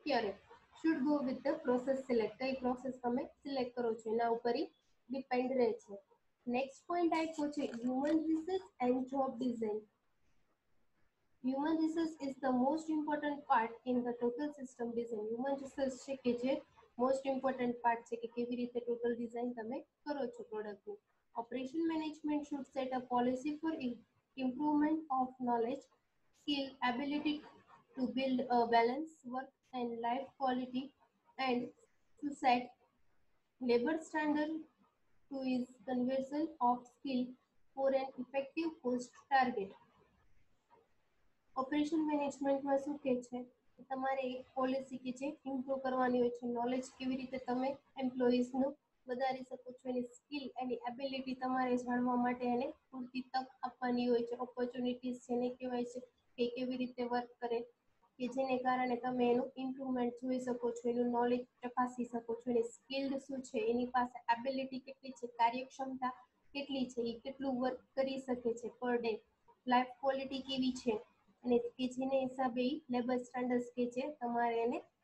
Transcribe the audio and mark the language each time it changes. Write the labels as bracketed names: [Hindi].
[Gujarati] ત્યારે [English] should go with the process select, [Gujarati] કઈ process તમે સિલેક્ટ કરો છો એના ઉપર ડિપેન્ડ રહે છે. નેક્સ્ટ પોઈન્ટ આપ્યો છે human resource and job design. [English] Human resource is the most important part in the total system design. [Gujarati] Human resource છે કે જે મોસ્ટ ઇમ્પોર્ટન્ટ પાર્ટ છે કે કેવી રીતે ટોટલ ડિઝાઇન તમે કરો છો પ્રોડક્ટનું. [English] Operation management should set a policy for improvement of knowledge, skill, ability to build a balanced work and life quality, and to set labor standard to ease conversion of skill for an effective cost target. [Gujarati] Operation management માં શું કહે છે? તમારે એક policy કે જે improve કરવાની હોય છે, નોલેજ કેવી રીતે તમે એમ્પ્લોઈઝનું વધારી શકો છો, એની સ્કિલ એની એબિલિટી તમારે જાણવા માટે એને પૂરતી તક આપવાની હોય છે. ઓપોર્ચ્યુનિટીઝ જેને કહેવાય છે કે કેવી રીતે વર્ક કરે કે જેને કારણે તમે એનું ઇમ્પ્રુવમેન્ટ જોઈ શકો છો, એનું નોલેજ ચકાસી શકો છો, એની સ્કિલ્ડ શું છે, એની પાસે એબિલિટી કેટલી છે, કાર્યક્ષમતા કેટલી છે, એ કેટલું વર્ક કરી શકે છે પર ડે, લાઈફ ક્વોલિટી કેવી છે, અને કે જેને હિસાબે લેબર સ્ટાન્ડર્ડ્સ કે છે તમારે એને